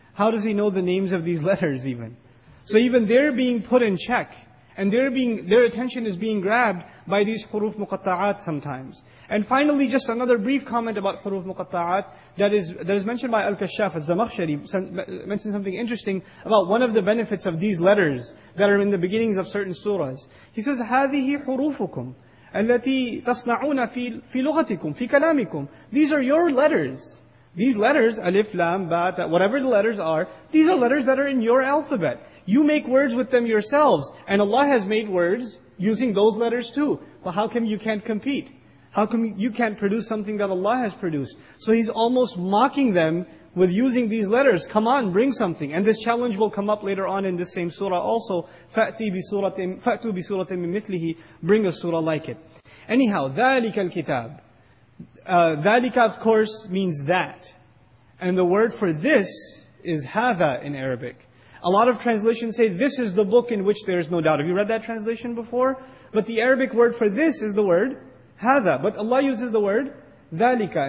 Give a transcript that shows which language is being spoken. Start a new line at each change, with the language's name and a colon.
English: How does he know the names of these letters even? So even they're being put in check, and their attention is being grabbed by these huruf muqatta'at sometimes. And finally, just another brief comment about huruf muqatta'at that is mentioned by Al-Kashshaf, Al-Zamakhshari, mentioned something interesting about one of the benefits of these letters that are in the beginnings of certain surahs. He says,
Arabic: هَذِهِ حُرُوفُكُمْ أَلَّتِي تَصْنَعُونَ فِي لُغَتِكُمْ فِي كَلَامِكُمْ.
English: These are your letters. These letters, alif, lam, ba, ta, whatever the letters are, these are letters that are in your alphabet. You make words with them yourselves, and Allah has made words using those letters too. But how come you can't compete? How come you can't produce something that Allah has produced? So He's almost mocking them with using these letters. Come on, bring something. And this challenge will come up later on in this same surah also.
Arabic: فَأْتُوا بِسُورَةٍ مِّن مِثْلِهِ.
English: Bring a surah like it. Anyhow,
Arabic: ذَلِكَ الْكِتَابِ.
English: Dhalika, of course, means that. And the word for this is hadha in Arabic. A lot of translations say this is the book in which there is no doubt. Have you read that translation before? But the Arabic word for this is the word hadha. But Allah uses the word dhalika.